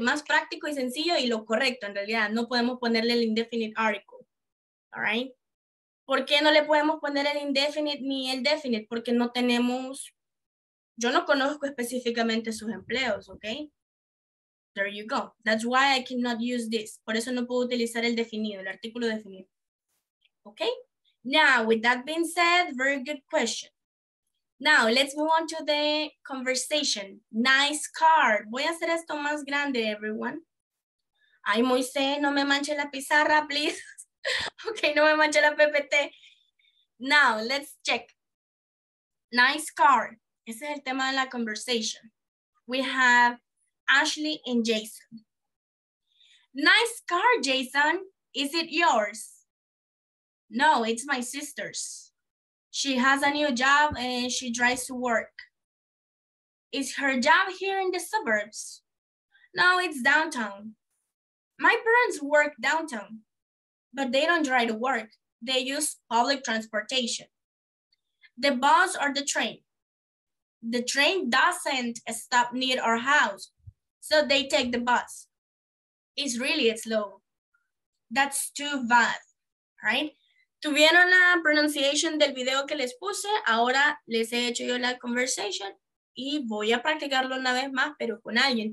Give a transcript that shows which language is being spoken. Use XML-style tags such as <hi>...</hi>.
<es>Más práctico y sencillo y lo correcto, en realidad. No podemos ponerle el indefinite article, all right? ¿Por qué no le podemos poner el indefinite ni el definite? Porque no tenemos, yo no conozco específicamente sus empleos, okay?</es> <en>There you go. That's why I cannot use this.</en> <es>Por eso no puedo utilizar el definido, el artículo definido.</es> <en>Okay? Now, with that being said, very good question. Now, let's move on to the conversation. Nice car.</en> <es>Voy a hacer esto más grande, everyone. Ay, Moisés, no me manche la pizarra, please.</es> <en>Okay,</en> <es>no me manche la PPT.</es> <en>Now, let's check. Nice car.</en> <es>Ese es el tema de la conversation.</es> <en>We have Ashley and Jason. Nice car, Jason. Is it yours? No, it's my sister's. She has a new job and she drives to work. Is her job here in the suburbs? No, it's downtown. My parents work downtown, but they don't drive to work. They use public transportation. The bus or the train? The train doesn't stop near our house, so they take the bus. It's really slow. That's too bad, right?</en> <es>Tuvieron la pronunciation del video que les puse, ahora les he hecho yo la conversation y voy a practicarlo una vez más, pero con alguien.</es>